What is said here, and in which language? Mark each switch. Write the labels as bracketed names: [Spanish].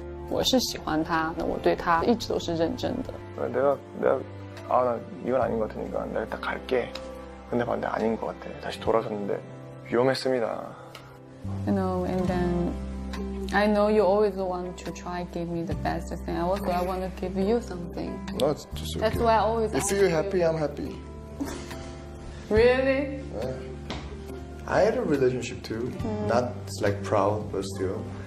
[Chinese] 我是喜欢他，那我对他一直都是认真的。 [Korean] 내가 이건 아닌 것 같으니까 내가 일단 갈게. 근데 반대 아닌 것 같아. 다시 돌아섰는데 위험했습니다. [English] You know, and then I know you always want to try give me the best thing. Also, I want to give you something. No, it's just okay. That's why I always. If you're happy, I'm happy. Really? Yeah. I had a relationship too. Not like proud, but still.